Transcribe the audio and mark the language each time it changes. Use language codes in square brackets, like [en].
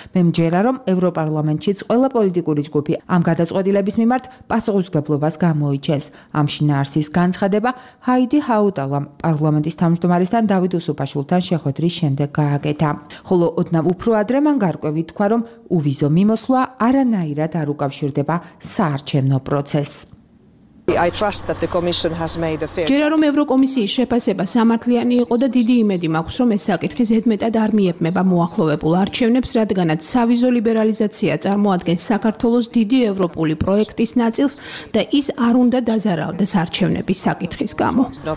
[ka] მე მჯერა, რომ ევროპარლამენტშიც ყველა პოლიტიკური ჯგუფი ამ გადაწყვეტილების მიმართ პასუხისმგებლობას გამოიჩენს. ამ შინაარსის განცხადება ჰაიდი ჰაუტალამ პარლამენტის თავმჯდომარესთან დავით უსუპაშვილთან შეხვედრის შემდეგ გააკეთა. ხოლო ოდნავ უფრო ადრე მან გარკვევით თქვა, რომ უვიზო მიმოსვლა არანაირად არ უკავშირდება საარჩევნო პროცესს. [en] I trust that the commission has made a fair. [ka] ჯერა რომ ევროკომისიის შეფასება სამართლიანი იყო და დიდი იმედი მაქვს, რომ ეს საკითხი ზედმეტად არ მიეპყრება მოახლოვებულ არჩევნებს, რადგანაც სავიზო ლიბერალიზაცია წარმოადგენს საქართველოს დიდი ევროპული პროექტის ნაწილს და ის არ უნდა დაზარალდეს არჩევნების საკითხის გამო.